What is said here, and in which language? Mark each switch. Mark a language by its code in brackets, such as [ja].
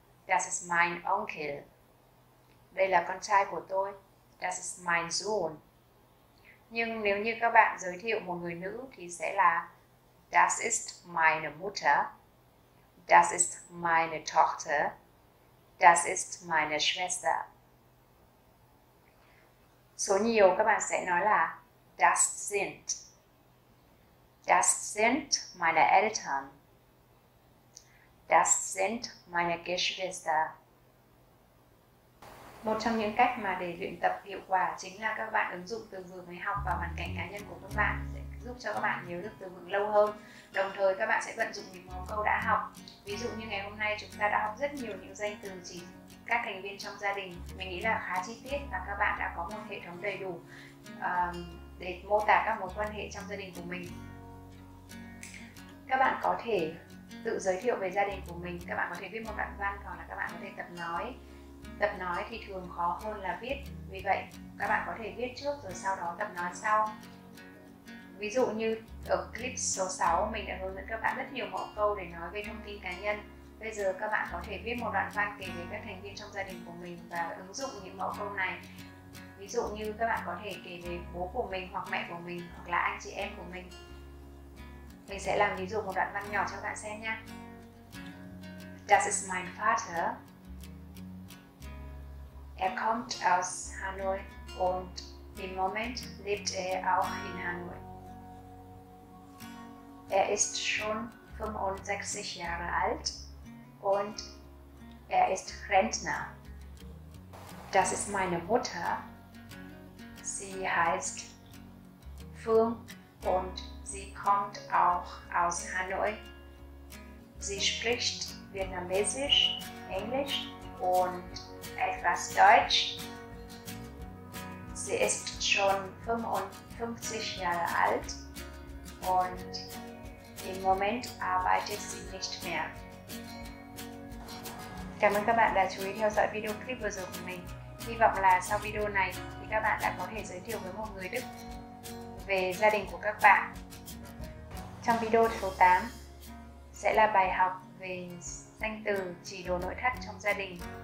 [de] Das ist mein Onkel. [vi] Đây là con trai của tôi. [de] Das ist mein Sohn. [vi] Nhưng nếu như các bạn giới thiệu một người nữ thì sẽ là [de] Das ist meine Mutter. Das ist meine Tochter. Das ist meine Schwester. [vi] Số nhiều các bạn sẽ nói là [de] Das sind meine Eltern. Das sind meine Geschwister. [vi] Một trong những cách mà để luyện tập hiệu quả chính là các bạn ứng dụng từ vựng người học vào hoàn cảnh cá nhân của các bạn, sẽ giúp cho các bạn nhớ được từ vựng lâu hơn. Đồng thời các bạn sẽ vận dụng những mẫu câu đã học. Ví dụ như ngày hôm nay chúng ta đã học rất nhiều những danh từ chỉ các thành viên trong gia đình. Mình nghĩ là khá chi tiết và các bạn đã có một hệ thống đầy đủ để mô tả các mối quan hệ trong gia đình của mình. Các bạn có thể tự giới thiệu về gia đình của mình, các bạn có thể viết một đoạn văn hoặc là các bạn có thể tập nói. Tập nói thì thường khó hơn là viết, vì vậy các bạn có thể viết trước rồi sau đó tập nói sau. Ví dụ như ở clip số 6 mình đã hướng dẫn các bạn rất nhiều mẫu câu để nói về thông tin cá nhân. Bây giờ các bạn có thể viết một đoạn văn kể về các thành viên trong gia đình của mình và ứng dụng những mẫu câu này. Ví dụ như các bạn có thể kể về bố của mình hoặc mẹ của mình hoặc là anh chị em của mình. Mình sẽ làm ví dụ một đoạn văn nhỏ cho các bạn xem nhé. [de] Das ist mein Vater. Er kommt aus Hanoi und im Moment lebt er auch in Hanoi. Er ist schon 65 Jahre alt und er ist Rentner. Das ist meine Mutter. Sie heißt Phương und sie kommt auch aus Hanoi. Sie spricht Vietnamesisch, Englisch und etwas Deutsch. Sie ist schon 55 Jahre alt und im Moment arbeitet sie nicht mehr. [vi] Cảm ơn các bạn đã chú ý theo dõi video clip vừa rồi của mình. Hy vọng là sau video này thì các bạn đã có thể giới thiệu với một người Đức về gia đình của các bạn. Trong video số 8 sẽ là bài học về danh từ chỉ đồ nội thất trong gia đình.